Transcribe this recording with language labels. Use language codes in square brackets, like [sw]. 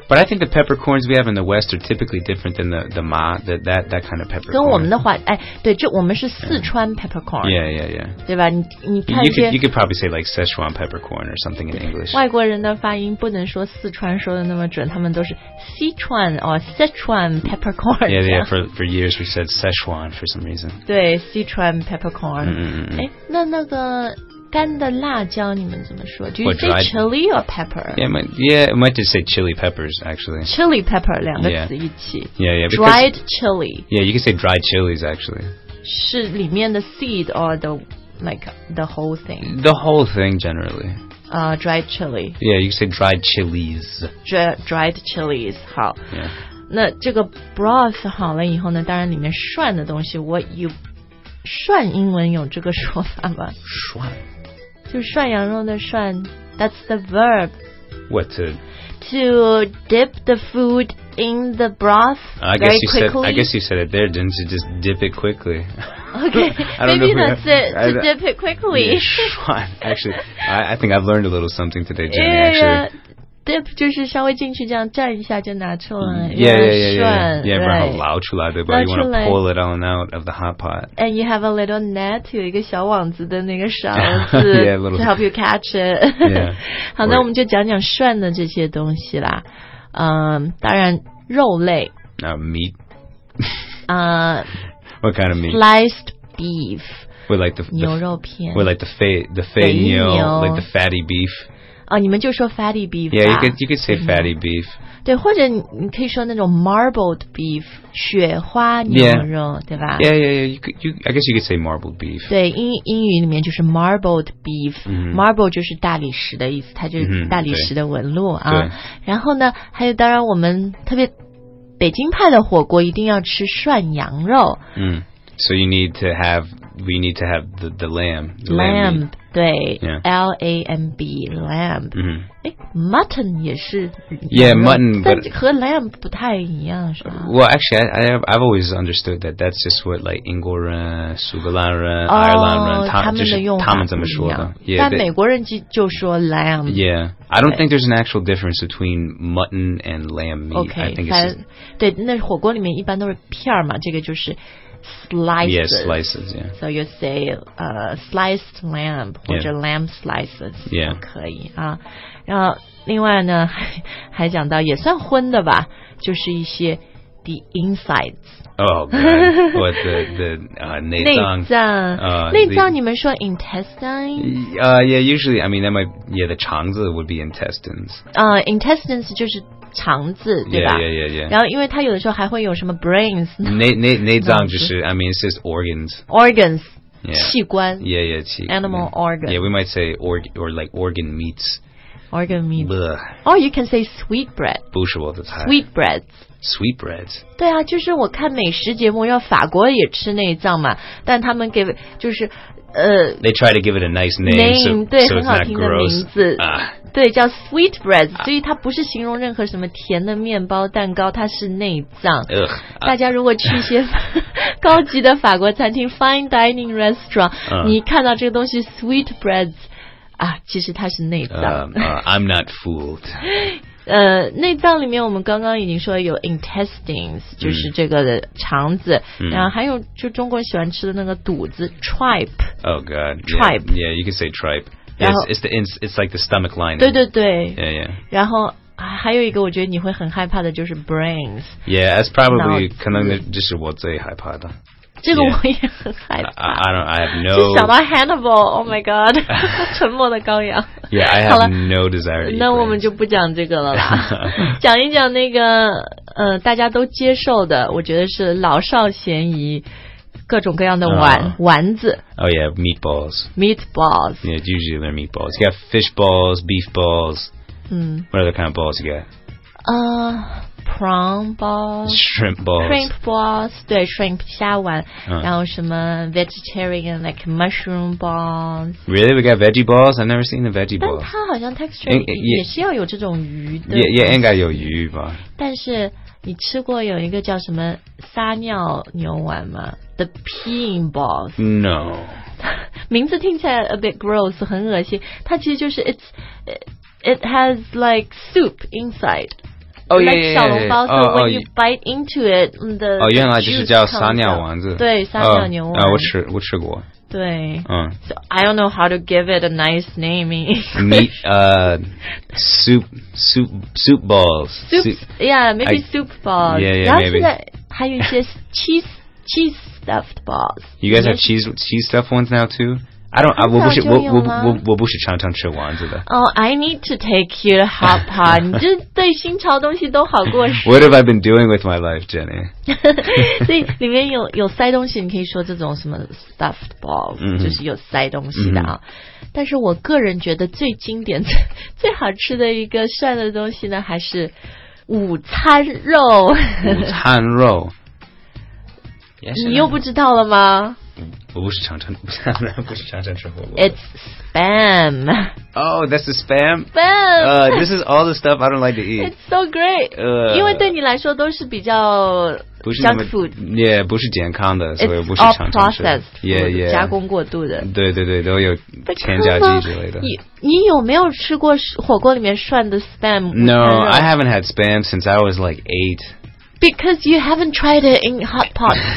[en] But I think the peppercorns we have in the West are typically different than the ma, that kind of peppercorn. [zh] 跟我们的话，哎，对，就我们是四川 peppercorn. [en] Yeah, yeah, yeah. [zh] 对吧？你看 [en] you could probably say like Sichuan peppercorn or something in English. [zh] 外国人的发音不能说四川说的那么准，他们都是 Sichuan or Sichuan peppercorn. [en] Yeah, yeah. For years we said Sichuan for some reason. 对 ，Sichuan peppercorn. 嗯 [zh] 哎，那个。干的辣椒你们怎么说 [en] Do you say chili or pepper? Yeah, I might just say chili peppers actually. [zh] Chili pepper 两个词一起 [en] Yeah, Dried chili. Yeah, you can say dried chilies actually. 是里面的 seed or the, like, the whole thing? The whole thing generally. Dried chili. Yeah, you can say dried chilies. Dried chilies, 好、 yeah. [zh] 那这个 broth 好了以后呢当然里面涮的东西 [en] What you... [zh] 涮英文有这个说法吗？涮，就涮羊肉的涮。 [en] That's the verb. What to dip the food in the broth very quickly? I guess you said it there, didn't you? Just dip it quickly. Okay, maybe that's it. To dip it quickly. Yeah, actually, I think I've learned a little something today, Jenny. Actually. [zh] Dip 就是稍微进去这样蘸一下就拿出来 [en] yeah, [zh] 涮 [en] yeah, [zh] 捞出来对吧 [en] you want to pull it on out of the hot pot and you have a little net [zh] 有一个小网子的那个勺子 [en] yeah, little, to help you catch it yeah, [zh] 好那我们就讲讲涮的这些东西啦、当然肉类 [en] meat 、 what kind of meat sliced beef with like the [zh] 牛肉片 [en] with like the肥牛 like the fatty beef [zh] 你们就说 fatty beef [en] Yeah, you could say fatty beef [zh] 对或者你可以说那种 marbled beef 雪花牛肉、 [en] yeah. [zh] 对吧 [en] Yeah, yeah, yeah I guess you could say marbled beef [zh] 对英语里面就是 marbled beef、 mm-hmm. Marble 就是大理石的意思它就是大理石的纹路、 mm-hmm. 啊。然后呢还有当然我们特别北京派的火锅一定要吃涮羊肉、 mm-hmm. [en] So you need to have We need to have the lamb the Lamb, lamb [zh] 对、 [en] yeah. L-A-M-B, lamb、 mm-hmm. [zh] Mutton 也是 [en] Yeah, mutton [zh] 但和 lamb 不太一样是吧 [en] Well, actually, I've always understood that That's just what like [zh] 英国人、苏格兰人、爱尔兰人他们怎么说的 [en] yeah, [zh] 但美国人就说 lamb [en] Yeah, I don't think there's an actual difference Between mutton and lamb meat okay, I think it's [zh] 对那火锅里面一般都是片嘛这个就是Slices. [en] Yeah, slices, yeah. So you say sliced lamb, or、yeah. lamb slices. Yeah. [zh] 可以、啊、然后另外呢还讲到也算荤的吧就是一些 the insides. [en] Oh, God. What the 内脏。 [zh] 内脏。内脏你们说 intestine? [en] Yeah, usually, I mean, that might, yeah, the 肠子 would be intestines. [zh] Intestines 就是肠子对吧 [en] yeah, yeah, yeah, yeah. [zh] 然后因为它有的时候还会有什么 brains 内脏就是 [en] I mean it's just organs organs、 yeah. [zh] 器官 yeah yeah 器官 [en] animal organs yeah we might say or like organ meats organ meat、 Blech. Oh you can say sweet bread [zh] 不是我的菜 [en] sweet breads sweet breads [zh] 对啊就是我看美食节目要法国也吃内脏嘛但他们给就是 [en] They try to give it a nice name, name so it's not gross. [zh] 很好听的名字，对，叫 sweet bread. 所以它不是形容任何什么甜的面包、蛋糕，它是内脏。大家如果去一些高级的法国餐厅 fine dining restaurant, 你看到这个东西 sweet bread, 啊，其实它是内脏。 [en] I'm not fooled. [zh] 内脏里面我们刚刚已经说有 intestines 就是这个肠子、嗯、然后还有就中国人喜欢吃的那个肚子 tripe [en] oh god tripe yeah, yeah you can say tripe it's like the stomach lining [zh] 对对对 [en] yeah yeah [zh] 然后还有一个我觉得你会很害怕的就是 brains [en] yeah that's probably [zh] 可能就是我最害怕的这个我也很害怕 [en] I have no [zh] 就想到 Hannibal [en] Oh my god [zh] 沉默的羔羊 [en] Yeah I have no desire to eat [zh] 那我们就不讲这个了啦讲一讲那个大家都接受的我觉得是老少咸宜各种各样的丸、丸子 [en] Oh yeah meatballs Meatballs Yeah usually they're meatballs You got fish balls Beef balls、嗯、 What other kind of balls you got? Prawn balls, shrimp balls, shrimp balls, 对 shrimp 虾丸， [zh] 然后什么 [en] vegetarian like mushroom balls. Really, we got veggie balls. I've never seen the veggie balls. [zh] 但它好像 texture 也是要有这种鱼的。也应该有鱼吧。但是你吃过有一个叫什么撒尿牛丸吗 ？ [en] The peeing balls. No. [zh] 名字听起来 [en] a bit gross, [zh] 很恶心。它其实就是 it's [en] it has like soup inside. Oh, like yeah, yeah, yeah, yeah. So when you bite into it, the juice [zh] 原来就是叫撒尿丸子。对，撒尿牛丸。我吃，我吃过。对。 [en] So I don't know how to give it a nice name in English. Meat, soup balls. Soup balls. Yeah, maybe. [zh] 然后现在还有一些cheese. [en] Cheese stuffed balls. You guys have cheese stuffed ones now too? I don't. [zh] I 我不是我不是常常吃丸子的 [en] Oh, I need to take you to hot pot. [zh] 你就对新潮东西都好过时 [en] What have I been doing with my life, Jenny? [zh] 所以里面有塞东西，你可以说这种什么 stuffed balls，就是有塞东西的啊。但是我个人觉得最经典、最好吃的一个涮的东西呢，还是午餐肉。午餐肉。 Yes, 你又不知道了吗？我不是常常不是常常吃火锅。 [en] It's spam. Oh, that's the spam. Spam. This is all the stuff I don't like to eat. It's so great. [zh] 因为对你来说都是比较 junk food. Yeah, 不是健康的，所以我不是常常吃。 [en] It's all processed. Yeah, yeah. [zh] 加工过度的。对对对，都有添加剂之类的。你有没有吃过火锅里面涮的 spam？ [en] No, I haven't had spam since I was like 8. Because you haven't tried it in hot pot.